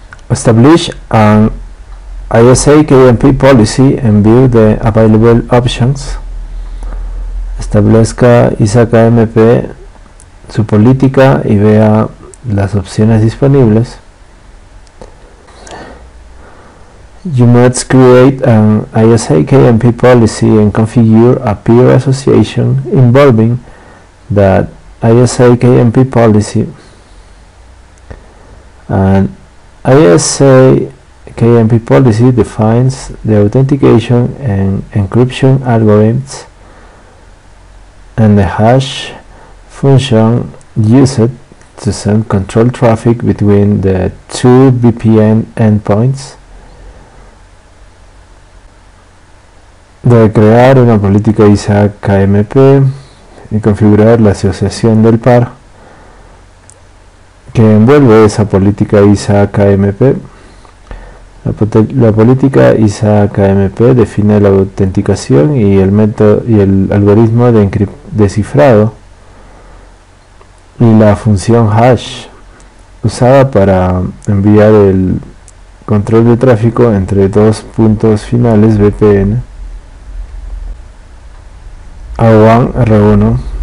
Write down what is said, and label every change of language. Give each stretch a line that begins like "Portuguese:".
English: Establish an ISA KMP policy and view the available options.
Spanish: Establezca ISA-KMP su política y vea las opciones disponibles.
English: You must create an ISA-KMP policy and configure a peer association involving that ISA-KMP policy. An ISA-KMP policy defines the authentication and encryption algorithms and the hash function used to send control traffic between the two VPN endpoints.
Spanish: De crear una política ISA-KMP y configurar la asociación del par que envuelve esa política ISA-KMP. La política ISA-KMP define la autenticación y el método y el algoritmo de descifrado y la función hash usada para enviar el control de tráfico entre dos puntos finales VPN A1 R1.